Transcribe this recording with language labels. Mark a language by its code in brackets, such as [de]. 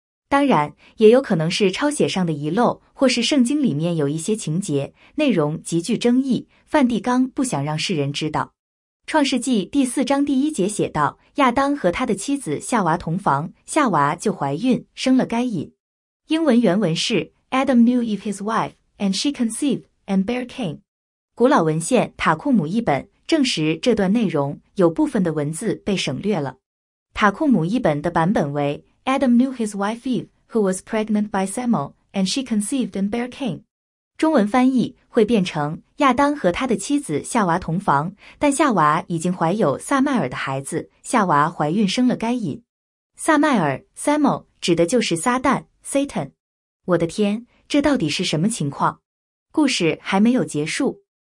[zh] 当然，也有可能是抄写上的遗漏，或是圣经里面有一些情节内容极具争议，梵蒂冈不想让世人知道。创世纪第四章第一节写道，亚当和他的妻子夏娃同房，夏娃就怀孕生了该隐。 [en] 英文原文是 Adam knew Eve his wife, and she conceived, and bare Cain。 [zh] 古老文献塔库姆译本证实这段内容有部分的文字被省略了。 [en] 塔库姆译本的版本为 Adam knew his wife Eve, who was pregnant by Samuel, and she conceived and bare Cain。 [zh] 中文翻译会变成亚当和他的妻子夏娃同房，但夏娃已经怀有撒麦尔的孩子，夏娃怀孕生了该隐。撒麦尔 Samuel 指的就是撒旦 Satan。我的天，这到底是什么情况？故事还没有结束。